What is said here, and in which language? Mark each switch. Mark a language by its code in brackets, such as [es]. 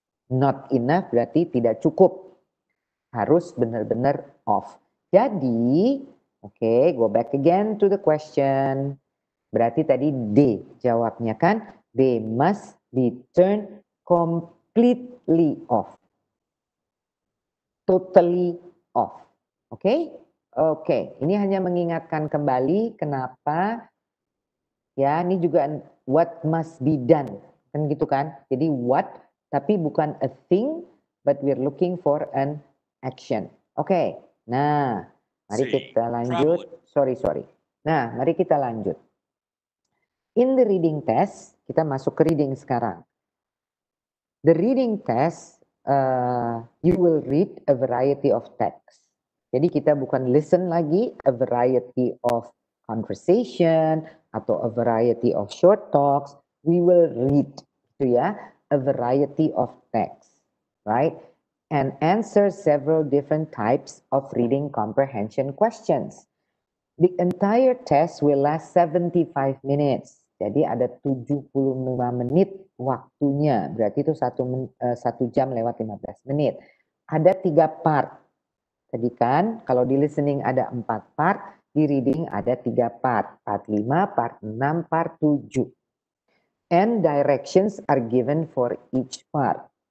[en] Not enough [id] berarti tidak cukup. Harus benar-benar off. [en] Jadi, oke, okay, go back again to the question. [id] Berarti tadi D jawabnya kan, [en] they must be turned completely off. Totally off. Oke, okay? Oke. Okay. [id] Ini hanya mengingatkan kembali kenapa ya, ini juga [en] what must be done. [id] Kan gitu kan? [en] Jadi what, [id] tapi bukan [en] a thing, but we're looking for an action. [id] Oke, okay. Nah, mari kita lanjut. Sorry. Nah, mari kita lanjut. [en] In the reading test, [id] kita masuk ke reading sekarang. [en] The reading test, you will read a variety of texts. [id] Jadi kita bukan listen lagi [en] a variety of conversation [id] atau [en] a variety of short talks. We will read, [id] gitu ya, [en] a variety of texts, right? And answer several different types of reading comprehension questions. The entire test will last 75 minutes. [id] Jadi ada 75 menit waktunya. Berarti itu 1 jam lewat 15 menit. Ada 3 part. Tadi kan kalau di listening ada 4 part, di reading ada 3 part. [en] Part 5, part 6, part 7. And directions are given for each part.